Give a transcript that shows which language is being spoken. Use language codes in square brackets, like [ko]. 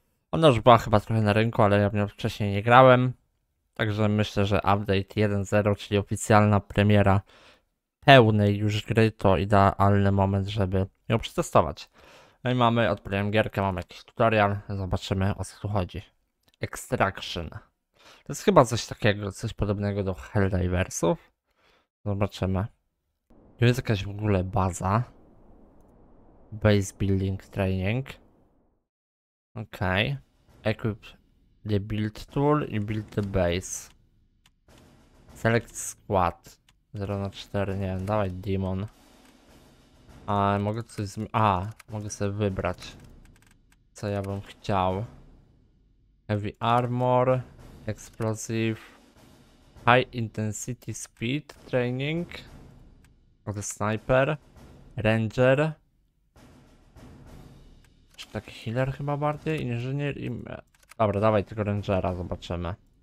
[pl] Ona już była chyba trochę na rynku, ale ja w nią wcześniej nie grałem. Także myślę, że update 1.0, czyli oficjalna premiera pełnej już gry, to idealny moment, żeby ją przetestować. No i mamy, odpaliłem gierkę, mamy jakiś tutorial, zobaczymy o co tu chodzi. Extraction. To jest chyba coś takiego, coś podobnego do Helldiversów. Zobaczymy. Tu jest jakaś w ogóle baza. [en] Base building training. Okej. Equip the build tool i build the base. Select squad. [pl] 0 na 4, nie wiem, dawaj demon. A mogę coś zmienić. A, mogę sobie wybrać, co ja bym chciał. [en] Heavy armor. Explosive. High intensity speed training. [pl] Oto sniper, ranger, czy taki healer chyba bardziej, inżynier i... Dobra, dawaj tego rangera, zobaczymy.